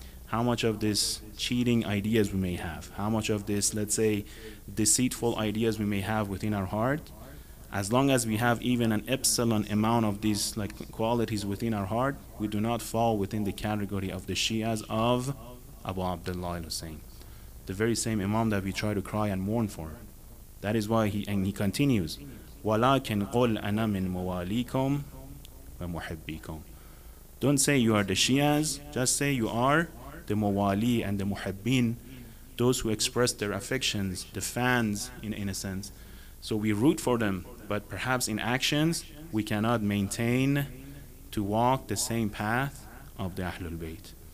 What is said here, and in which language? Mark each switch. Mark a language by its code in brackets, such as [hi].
[en] How much of this cheating ideas we may have? How much of this, let's say, deceitful ideas we may have within our heart? As long as we have even an epsilon amount of these qualities within our heart, we do not fall within the category of the Shias of Abu Abdullah al-Hussein. The very same Imam that we try to cry and mourn for. That is why he continues, [ar] وَلَكِنْ قُلْ أَنَا مِنْ مُوَالِيكُمْ وَمُحِبِّيكُمْ. [en] Don't say you are the Shias, just say you are the Muwali and the Muhibbin, those who express their affections, the fans in a sense. So we root for them, but perhaps in actions, we cannot maintain to walk the same path of the Ahlul Bayt.